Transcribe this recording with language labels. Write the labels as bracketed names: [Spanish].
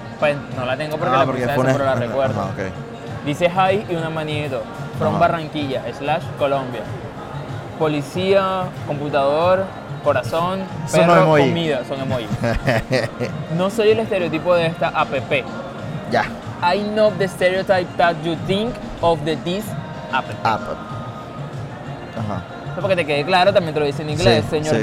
[Spanish] Pues no la tengo porque la puse eso, pero la recuerdo. Ajá, okay. Dice hi y una manito. [English] From Barranquilla / Colombia. [Spanish] Policía, computador, corazón, perro, son emoji. Comida, son emojis. No soy el estereotipo de esta app. Ya. [English] Yeah. I know the stereotype that you think of the this app. App. [Spanish] Ajá. Porque te quede claro, también te lo dice en inglés, sí, señor, sí.